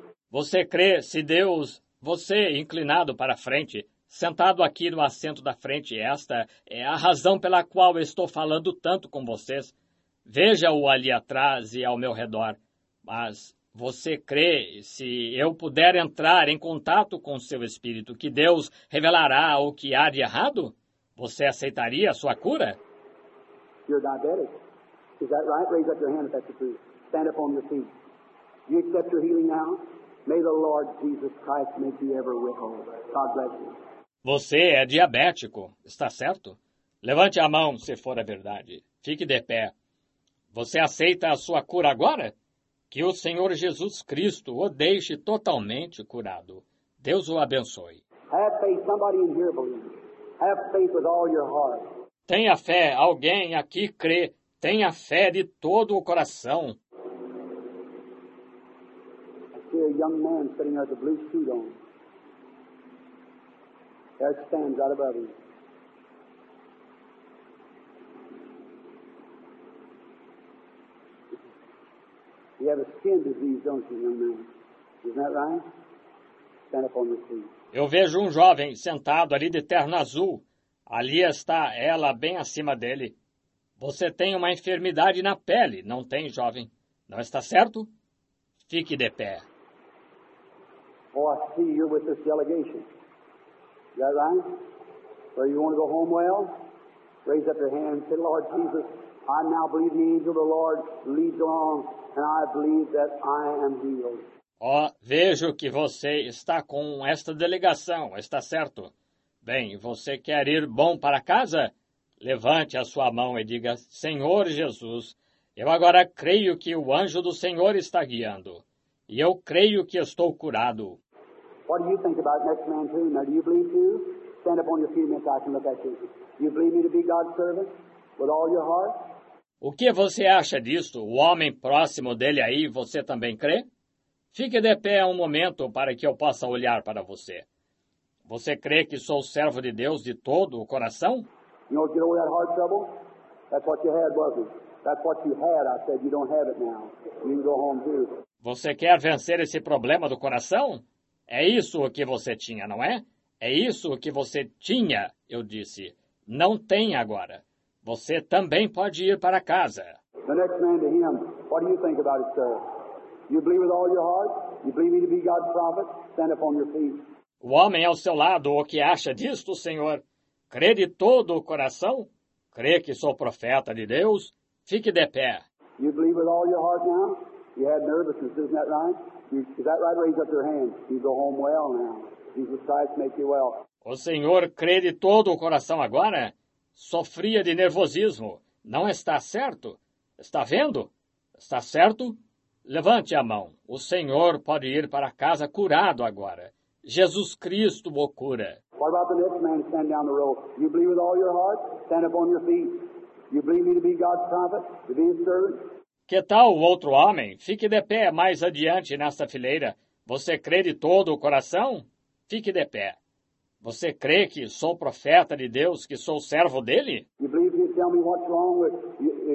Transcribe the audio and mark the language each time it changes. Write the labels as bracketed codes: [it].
[pt] Você crê se Deus, você inclinado para frente, sentado aqui no assento da frente, esta é a razão pela qual estou falando tanto com vocês. Veja-o ali atrás e ao meu redor. Mas você crê, se eu puder entrar em contato com seu espírito, que Deus revelará o que há de errado? Você aceitaria a sua cura? [en] You're diabetic. Is that right? Raise up your hand if that's the truth. Stand up on your feet. You accept your healing now? May the Lord Jesus Christ make you ever whole. God bless you. [pt] Você é diabético, está certo? Levante a mão, se for a verdade. Fique de pé. Você aceita a sua cura agora? Que o Senhor Jesus Cristo o deixe totalmente curado. Deus o abençoe. [en] Have faith, somebody in here believes. Have faith with all your heart. [pt] Tenha fé, alguém aqui crê. Tenha fé de todo o coração. [en] I see a young man sitting with a blue suit on. There stands out above him. You have a skin disease, don't you, young man? Isn't that right? Stand up on the seat. [pt] Eu vejo um jovem sentado ali de terno azul. Ali está ela, bem acima dele. Você tem uma enfermidade na pele, não tem, jovem? Não está certo? Fique de pé. [en] Oh, I see you're with this delegation. Is that right? Well, you want to go home well? Raise up your hand and say, Lord Jesus, I now believe the angel of the Lord leads on, and I believe that I am healed. [pt] Oh, vejo que você está com esta delegação, está certo? Bem, você quer ir bom para casa? Levante a sua mão e diga, Senhor Jesus, eu agora creio que o anjo do Senhor está guiando. E eu creio que estou curado. [en] What do you think about next man too? Now, do you believe too? Stand up on your feet and I can look at you. Do you believe me to be God's servant with all your heart? [pt] O que você acha disto? O homem próximo dele aí, você também crê? Fique de pé um momento para que eu possa olhar para você. Você crê que sou servo de Deus de todo o coração? [en] You don't get all that heart trouble? That's what you had, wasn't it? That's what you had, I said. You don't have it now. You can go home too. [pt] Você quer vencer esse problema do coração? É isso o que você tinha, não é? É isso o que você tinha, eu disse. Não tem agora. Você também pode ir para casa. [en] The next man to him, what do you think about it, sir? You believe with all your heart? You believe me to be God's prophet? Stand up on your feet. [pt] O homem ao seu lado, o que acha disto, senhor? Crê de todo o coração? Crê que sou profeta de Deus? Fique de pé. [en] You believe with all your heart now? You had nervousness, isn't that right? Is that right? Raise up your hand. You go home well now. Jesus Christ make you well. [pt] O senhor crê de todo o coração agora? sofria de nervosismo. Não está certo? Está vendo? Está certo? Levante a mão. O senhor pode ir para casa curado agora. Jesus Cristo o cura. [en] What about the next man standing down the road? You believe with all your heart? Stand up on your feet. You believe me to be God's prophet, to be his servant? [pt] Que tal o outro homem? Fique de pé mais adiante nesta fileira. Você crê de todo o coração? Fique de pé. Você crê que sou profeta de Deus, que sou servo dele? [en] You believe me to tell me what's wrong with you?